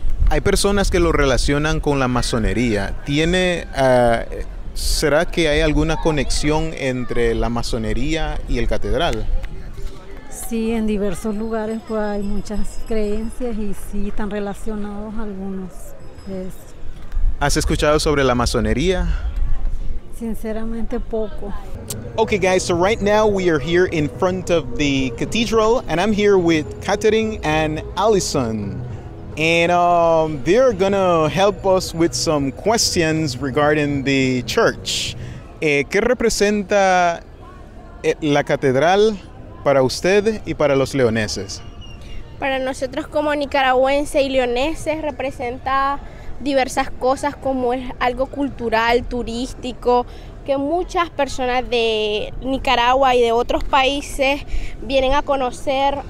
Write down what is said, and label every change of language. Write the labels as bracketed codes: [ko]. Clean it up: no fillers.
[es] Hay personas que lo relacionan con la masonería. ¿Será que hay alguna conexión entre la masonería y el catedral? Sí, en diversos lugares pues hay muchas creencias y sí están relacionados algunos de eso. ¿Has escuchado sobre la masonería? Sinceramente, poco. [en] Okay, guys, so right now we are here in front of the cathedral and I'm here with Catherine and Allison. And they're gonna help us with some questions regarding the church. [es] ¿Qué representa la catedral para usted y para los leoneses? Para nosotros como nicaragüenses y leoneses representa diversas cosas, como es algo cultural, turístico, que muchas personas de Nicaragua y de otros países vienen a conocer.